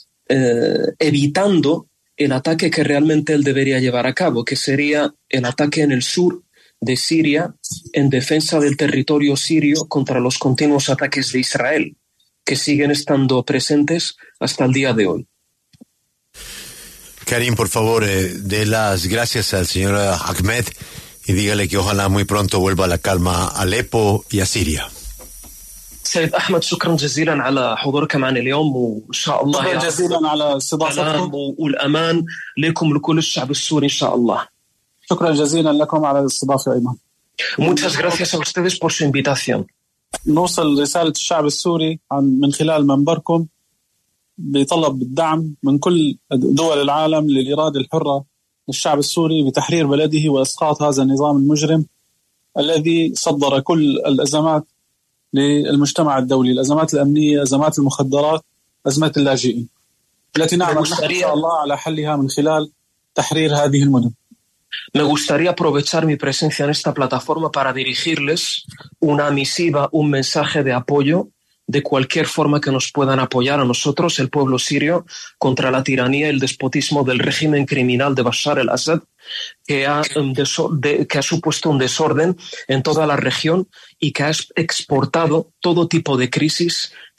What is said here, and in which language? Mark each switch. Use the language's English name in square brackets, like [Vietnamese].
[Spanish] evitando el ataque que realmente él debería llevar a cabo, que sería el ataque en el sur de Siria en defensa del territorio sirio contra los continuos ataques de Israel, que siguen estando presentes hasta el día de hoy. Karim, por favor, dé las gracias al señor Ahmed y dígale que ojalá muy pronto vuelva la calma a Alepo y a Siria. [Arabic] سيد أحمد شكرا جزيلا على حضورك معنا اليوم وإن شاء الله شكرا جزيلا على استضافتكم والأمان لكم لكل الشعب السوري إن شاء الله شكرا جزيلا لكم على الاستضافة أيمن [Spanish] muchas gracias a ustedes por su invitación [Arabic] نوصل رسالة الشعب السوري عن من خلال منبركم بطلب الدعم من كل دول العالم للإرادة الحرة للشعب السوري بتحرير بلده وإسقاط هذا النظام المجرم الذي صدر كل الأزمات للمجتمع الدولي الأزمات الأمنية أزمات المخدرات أزمة اللاجئين التي نعمل إن شاء الله على حلها من خلال تحرير هذه المدن. [Spanish] Me gustaría aprovechar mi presencia en esta plataforma para dirigirles una misiva, un mensaje de apoyo de cualquier forma que nos puedan apoyar a nosotros, el pueblo sirio, contra la tiranía y el despotismo del régimen criminal de Bashar al-Assad, que ha supuesto un desorden en toda la región y que ha exportado todo tipo de crisis